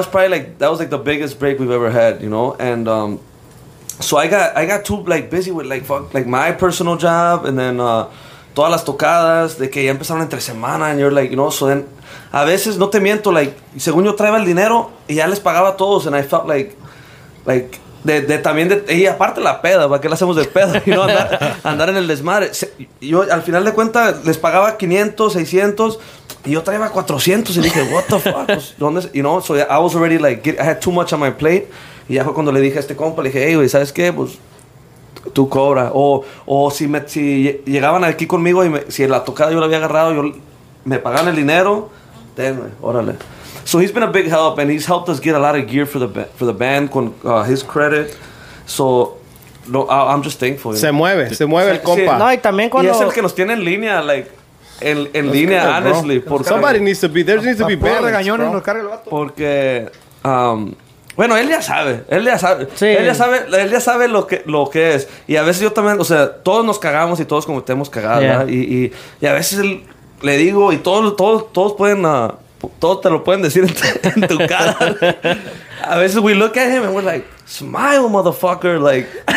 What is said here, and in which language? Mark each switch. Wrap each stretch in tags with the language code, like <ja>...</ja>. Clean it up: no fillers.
<en>That was like the biggest break we've ever had, you know? And, so I got too, like, busy with, like, fuck, like, my personal job. And then,</en> <es>todas las tocadas de que ya empezaron entre semana.</es> <en>And you're like, you know, so then...</en> <es>A veces, no te miento, like, según yo traía el dinero y ya les pagaba a todos.</es> <en>And I felt like,</en> <es>de también, de, y aparte la peda, ¿para qué la hacemos de peda? You know, andar en el desmadre. Yo, al final de cuentas, les pagaba 500, 600, y yo traía 400. Y dije,</es> <en>what the fuck,</en> <es>pues, ¿dónde?</es> <en>You know, so I was already like, I had too much on my plate.</en> <es>Y ya fue cuando le dije a este compa, le dije, hey, güey, ¿sabes qué? Pues, tú cobra. O si llegaban aquí conmigo y si la tocada yo la había agarrado, yo me pagaban el dinero... Órale.</es> <en>So he's been a big help, and he's helped us get a lot of gear for the band con his credit. So no, I'm just thankful.</en> <es>Se mueve el compa. Sí. No, y también cuando y es el que nos tiene en línea, like en línea,</es> <en>good, honestly. Porque somebody needs to be there, needs to be better.</en> <es>Regañones, nos carga el vato. Porque bueno, él ya sabe. Sí. Él ya sabe lo que es. Y a veces yo también, o sea, todos nos cagamos y todos cometemos cagadas, yeah. y a veces él le digo, y todos pueden, todos te lo pueden decir en tu cara.</es> <en>A veces we look at him and we're like, smile, motherfucker, like.</en>